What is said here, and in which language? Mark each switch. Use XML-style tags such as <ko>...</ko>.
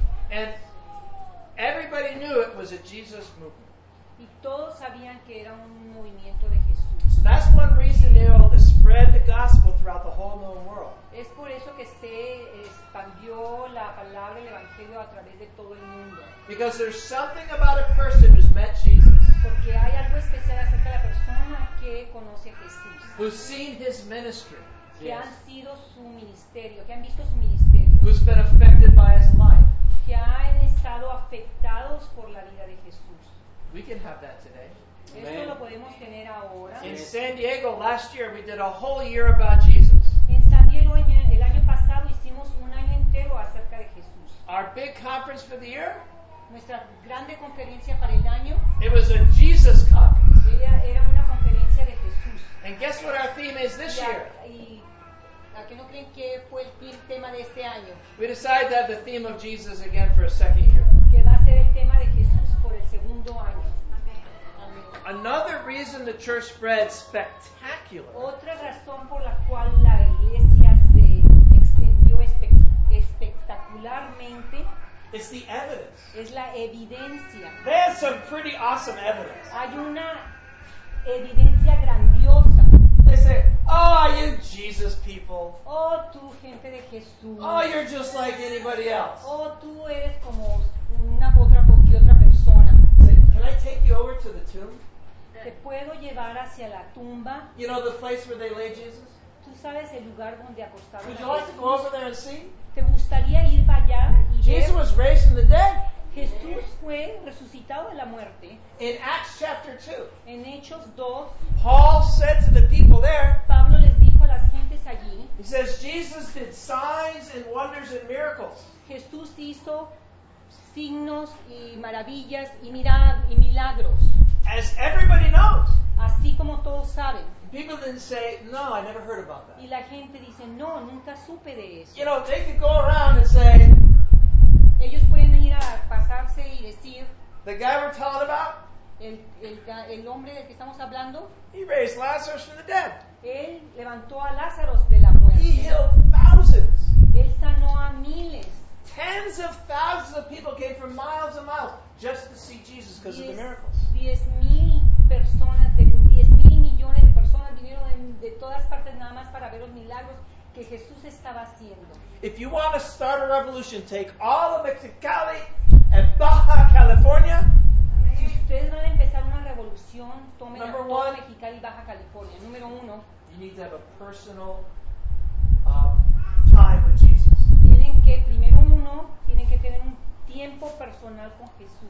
<en>And everybody knew it was a Jesus movement.</en> <es>Y todos sabían que era un movimiento de Jesús.</es> <en>So that's one reason they were able to spread the gospel throughout the whole known world.</en> <es>Es por eso que se expandió la palabra del evangelio a través de todo el mundo.</es> <en>Because there's something about a person who's met Jesus.</en> <es>Porque hay algo especial acerca de la persona que conoce a Jesús.</es> <en>Who's seen his ministry.</en> <es>Que yes. Han sido su ministerio, que han visto su ministerio.</es> <en>Who's been affected by his life.</en> <es>Que han estado afectados por la vida de Jesús.</es> <en>We can have that today. Amen.</en> <es>Esto lo podemos tener ahora.</es> <en>In San Diego last year we did a whole year about Jesus.</en> <es>En San Diego el año pasado hicimos un año entero acerca de Jesús.</es> <en>Our big conference for the year?</en> <es>Nuestra grande conferencia para el año.</es> <en>It was a Jesus conference.</en> <es>Era una conferencia de Jesús.</es> <en>And guess what our theme is this year?</en> <es>¿A qué no creen que fue el tema de este año?</es> <en>We decided to have the theme of Jesus again for a second year.</en> <es>Que va a ser el tema de Jesús por el segundo año. Amen.</es> <en>Another reason the church spread spectacular.</en> <es>Otra razón por la cual la iglesia se extendió espectacularmente.</es> <en>Is the evidence.</en> <es>Es la evidencia.</es> <en>There's some pretty awesome evidence.</en> <es>Hay una evidencia grandiosa.</es> <en>Oh, you Jesus people.</en> <es>Oh, tú gente de Jesús.</es> <en>Oh, you're just like anybody else.</en> <es>Oh, tú eres como una otra porque otra persona.</es> <en>Say, can I take you over to the tomb?</en> <es>Te puedo llevar hacia la tumba.</es> <en>You know the place where they lay Jesus?</en> <es>Tú sabes el lugar donde acostaron a Jesús.</es> <en>Would you like to go over there and see?</en> <es>¿Te gustaría ir para allá y ver?</es> <en>Jesus was raised from the dead.</en> <es>Jesús fue resucitado de la muerte.</es> <en>In Acts chapter 2.</en> <es>En Hechos 2.</es> <en>Paul said to the people there.</en> <es>Pablo les dijo a las gentes allí.</es> <en>He says Jesus did signs and wonders and miracles.</en> <es>Jesús hizo signos y maravillas y milagros.</es> <en>As everybody knows.</en> <es>Así como todos saben.</es> <en>People then say, no, I never heard about that.</en> <es>Y la gente dice, no, nunca supe de eso.</es> <en>You know, they could go around and say,</en> <es>ellos pueden ir a pasarse y decir,</es> <en>the guy we're talking about,</en> <es>el hombre del que estamos hablando,</es> <en>he raised Lazarus from the dead.</en> <es>Él levantó a Lázaros de la muerte.</es> <en>He healed thousands.</en> <es>Él sanó a miles.</es> <en>Tens of thousands of people came from miles and miles just to see Jesus because of the miracles.</en> <es>10,000 personas, de 10,000 millones de personas vinieron de todas partes nada más para ver los milagros que Jesús estaba haciendo.</es> <en>If you want to start a revolution, take all of Mexicali and Baja California.</en> <es>Si ustedes van a empezar una revolución, tomen a todo Mexicali y Baja California. Número uno,</es> <en>you need to have a personal time with Jesus.</en> <es>Tienen que, primero uno, tienen que tener un tiempo personal con Jesús.</es>